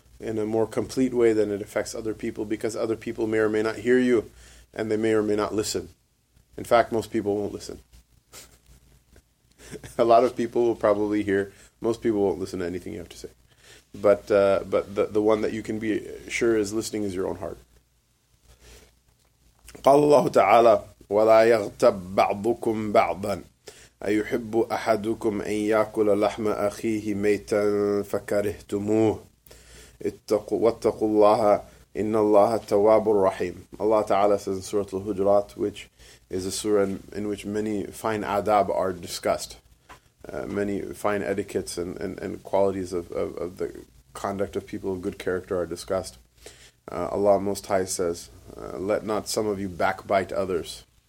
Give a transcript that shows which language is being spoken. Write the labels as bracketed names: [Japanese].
[English] in a more complete way than it affects other people, because other people may or may not hear you, and they may or may not listen. In fact, most people won't listen. A lot of people will probably hear. Most people won't listen to anything you have to say. But the one that you can be sure is listening is your own heart. [Arabic] قال الله تعالى ولا يغتب بعضكم بعضا أيحب أحدكم أن يأكل لحم أخيه ميتا فكرهتموه واتقوا الله إن الله تواب رحيم. [English] Allah Ta'ala says in Surah Al-Hujurat, which is a surah in which many fine adab are discussed, many fine etiquettes and qualities of the conduct of people of good character are discussed. Allah Most High says, let not some of you backbite others.